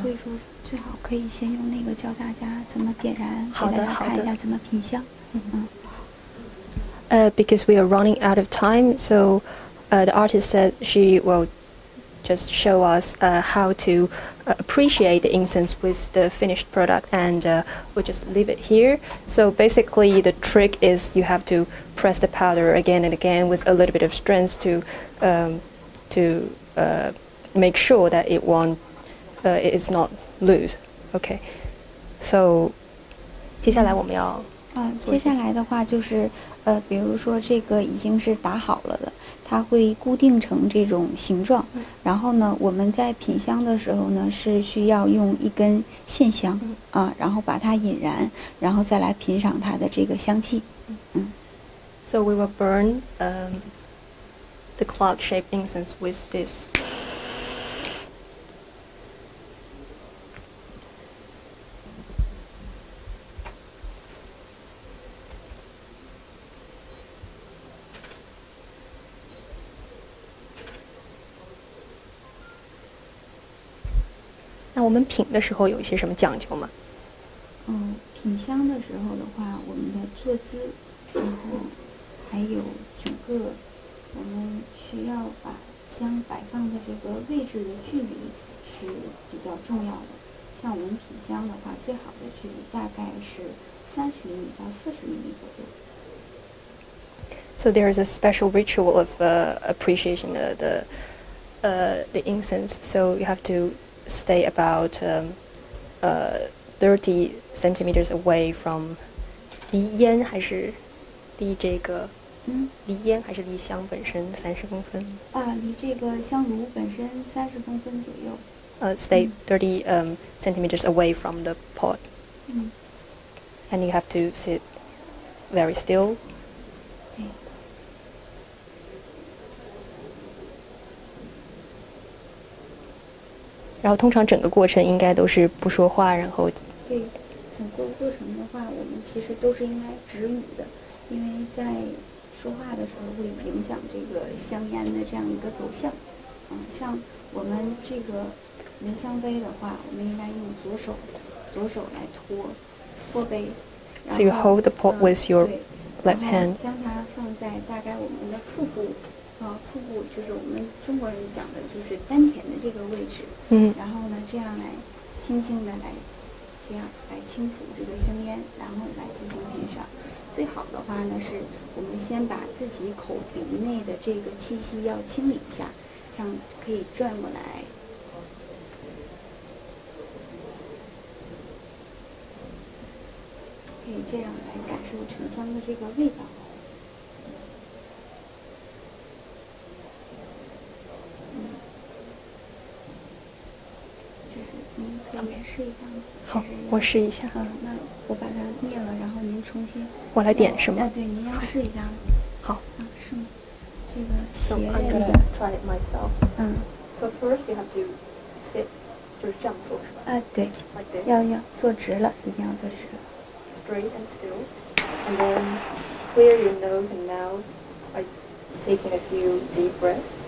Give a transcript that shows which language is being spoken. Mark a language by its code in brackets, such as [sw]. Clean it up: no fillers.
[zh] 所以说最好可以先用那个教大家怎么点燃，好的，看一下怎么品香。 [en] Because we are running out of time, so the artist said she will just show us how to appreciate the incense with the finished product, and we'll just leave it here. So basically the trick is you have to press the powder again and again with a little bit of strength to make sure that it won't, it is not loose. Okay, so [zh] 接下来我们要接下来的话就是比如说这个已经是打好了的，它会固定成这种形状，然后呢我们在品香的时候呢是需要用一根线香然后把它引燃，然后再来品赏它的这个香气。 [en] So we will burn the clock shaped incense with this. [zh] 那我们品的时候有一些什么讲究吗？品香的时候的话，我们的坐姿，然后还有整个我们需要把香摆放的这个位置的距离是比较重要的。像我们品香的话，最好的距离大概是30厘米到40厘米左右。 [en] So there is a special ritual of appreciation of the incense. So you have to stay about 30 centimeters away from [zh] 离烟还是离这个离烟还是离香本身30公分离这个香炉本身30公分左右。 [en] stay 30 centimeters away from the pot. And you have to sit very still. Okay. [zh] 然后通常整个过程应该都是不说话，然后对，整个过程的话，我们其实都是应该止语的，因为在说话的时候会影响这个香烟的这样一个走向。嗯，像我们这个蚊香杯的话，我们应该用左手来托。 [en] So you hold the pot with your left hand. [zh] 将它放在大概我们的腹部，腹部就是我们中国人讲的就是丹田的这个位置。然后呢，这样来轻轻的来，这样来轻抚这个香烟，然后来进行品赏。最好的话呢，是我们先把自己口鼻内的这个气息要清理一下，像可以转过来。可以这样来感受沉香的这个味道。可以试一下吗？好，我试一下。那我把它灭了，然后您重新。我来点是吗？对，您要试一下吗？好。是吗？这个斜月的。 [en] So I'm gonna try it myself. So first you have to sit, [zh] 就是这样坐是吧？对。 [en] Like this. [zh] 要坐直了，一定要坐直了。 [en] Straight and still, and then clear your nose and mouth by taking a few deep breaths.